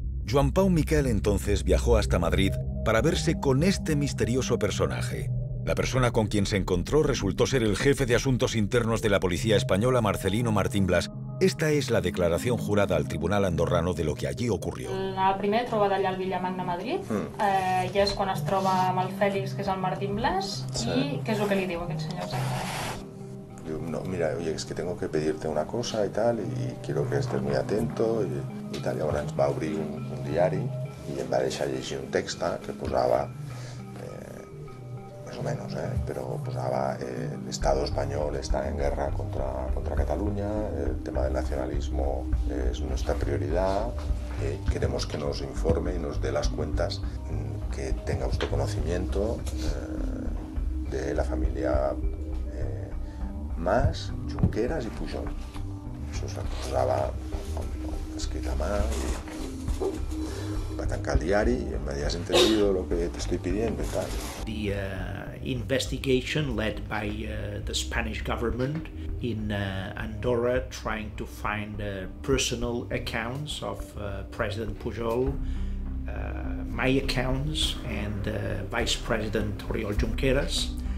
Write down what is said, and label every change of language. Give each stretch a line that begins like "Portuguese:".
Spanish: Juan Pau Miquel entonces viajó hasta Madrid para verse con este misterioso personaje. La persona con quien se encontró resultó ser el jefe de asuntos internos de la policía española, Marcelino Martín Blas. Esta es la declaración jurada al tribunal andorrano de lo que allí ocurrió.
Catalan: La primera trobada allà al Villamagna, Madrid,
Spanish: ya es cuando
Catalan: es troba amb el Félix, que es el Martín Blas.
Spanish: Sí. ¿Y qué es lo que le digo a
Catalan: aquest
Spanish: señor? No, mira, oye, es que tengo que pedirte una cosa y tal, y quiero que estés muy atento y tal. Y ahora va a abrir un diario y
Catalan: en va deixar llegir
Spanish: un texto que posaba, más o menos, pero posaba el Estado español está en guerra contra Cataluña, el tema del nacionalismo es nuestra prioridad, queremos que nos informe y nos dé las cuentas que tenga usted conocimiento de la familia Mas, Junqueras y Pujol. Eso se acusaba escrita a mano y
Catalan: va a tancar el diari
Spanish: y me has entendido lo que te estoy pidiendo y tal.
English: The investigation led by the Spanish government in Andorra trying to find personal accounts of President Pujol, my accounts and Vice President Oriol Junqueras.